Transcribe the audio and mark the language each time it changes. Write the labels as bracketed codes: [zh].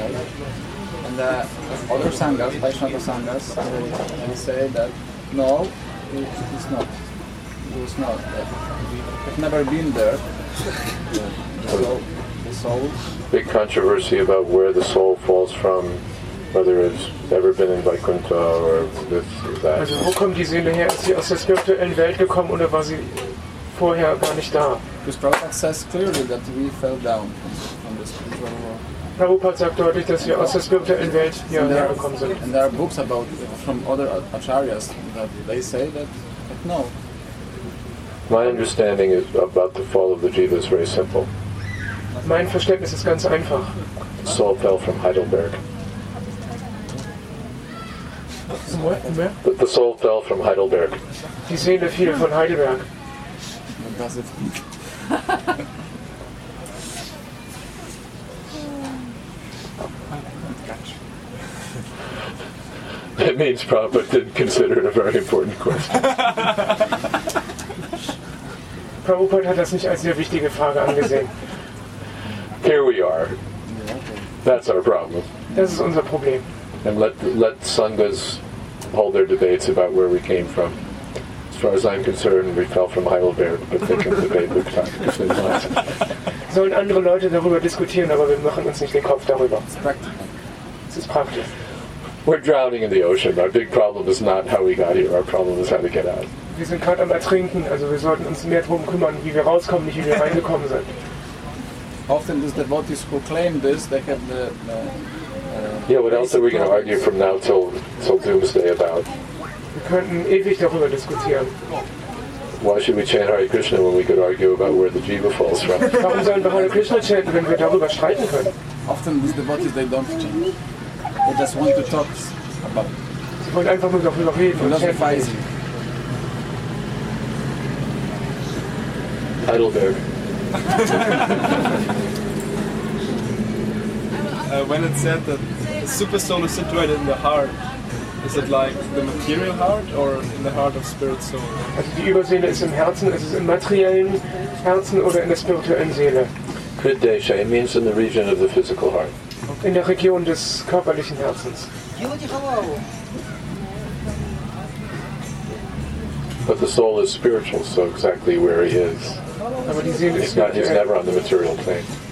[en] And other sanghas, Vaishnava sanghas, they say that no, it's not. It's not. It's never been there. The soul. Big controversy about where the soul falls from, whether it's ever been in Vaikuntha or this or that. [de] Also, wo kommt die Seele her? Ist sie aus der spirituellen Welt gekommen oder war sie vorher gar nicht da? [en] Because Prabhupada says clearly that we fell down from the spiritual world. [de] Prabhupada sagt deutlich, dass wir aus der spirituellen Welt hierher gekommen sind. [en] And there are books about from other acharyas that they say that no. My understanding is about the fall of the jiva is very simple. [de] Mein Verständnis ist ganz einfach. [en] Soul fell from Heidelberg. The soul fell from Heidelberg. [de] Die Seele fiel von Heidelberg. [en] It means Prabhupada didn't consider it a very important question. [de] Prabhupada hat das nicht als sehr wichtige Frage angesehen. [en] Here we are. That's our problem. [de] Das ist unser Problem. [en] And let sanghas hold their debates about where we came from. As far as I'm concerned, we fell from Heidelberg, but they can debate the time. [de] Sollen andere Leute darüber diskutieren, aber wir machen uns nicht den Kopf darüber. Es ist praktisch. [en] We're drowning in the ocean. Our big problem is not how we got here. Our problem is how to get out. [de] Wir sind gerade am Ertrinken, also wir sollten uns mehr darum kümmern, wie wir rauskommen, nicht wie wir reingekommen sind. [en] Often these devotees who claim this, they have the... what else are we going to argue from now till doomsday about? [de] Wir könnten ewig darüber diskutieren. [en] Why should we chant Hare Krishna when we could argue about where the jiva falls from? [de] Warum sollen wir Hare Krishna chanten, wenn wir darüber streiten können? [en] Often these devotees, they don't chant. They just want to talk about... [de] Sie wollen einfach nur darüber reden und chanten. Heidelberg. [en] When it's said that the super soul is situated in the heart, is it like the material heart or in the heart of spirit soul? [de] Also die Überseele ist im Herzen, ist es im materiellen Herzen oder in der spirituellen Seele? [en] Hriddesha, it means in the region of the physical heart. [de] Okay. In der Region des körperlichen Herzens. [en] But the soul is spiritual, so exactly where he is. [de] Aber die Seele ist [en] he's never on the material plane.